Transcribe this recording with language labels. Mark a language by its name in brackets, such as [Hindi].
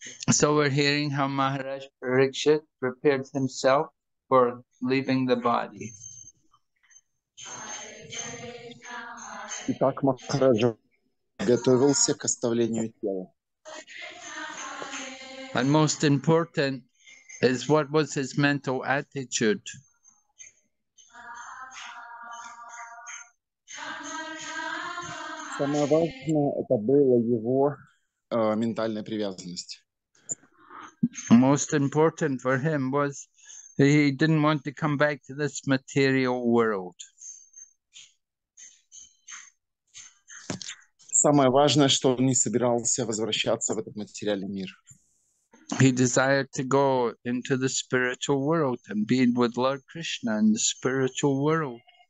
[English] So we're hearing how Maharaj Parikshit prepared himself for leaving the body. [Russian] Итак, Махарадж готовился к оставлению тела. [English] And most important is what was his mental attitude. [Russian] Самое важное это было его ментальная привязанность. [English] Most important for him was he didn't want to come back to this material world. [Russian] Самое важное, что он не собирался возвращаться в этот материальный мир. [English] He desired to go into the spiritual world and be with Lord Krishna in the spiritual world.